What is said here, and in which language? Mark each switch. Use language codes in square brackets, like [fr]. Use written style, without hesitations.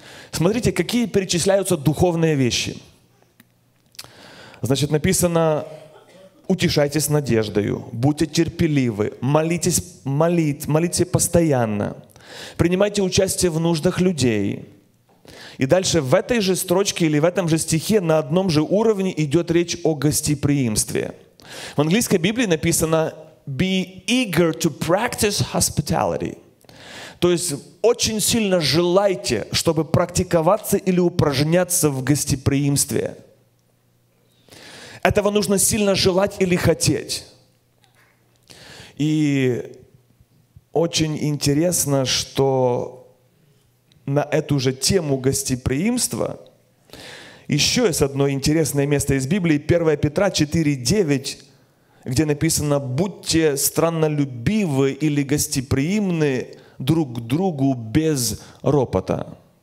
[ru] Смотрите, какие перечисляются духовные вещи. Значит, написано: утешайтесь надеждою, будьте терпеливы, молитесь постоянно, принимайте участие в нуждах людей. И дальше в этой же строчке или в этом же стихе на одном же уровне идет речь о гостеприимстве. В английской Библии написано: [en] «Be eager to practice hospitality». [ru] То есть очень сильно желайте, чтобы практиковаться или упражняться в гостеприимстве. Этого нужно сильно желать или хотеть. И очень интересно, что на эту же тему гостеприимства еще есть одно интересное место из Библии, 1 Петра 4:9, где написано: «Будьте страннолюбивы или гостеприимны друг к другу без ропота».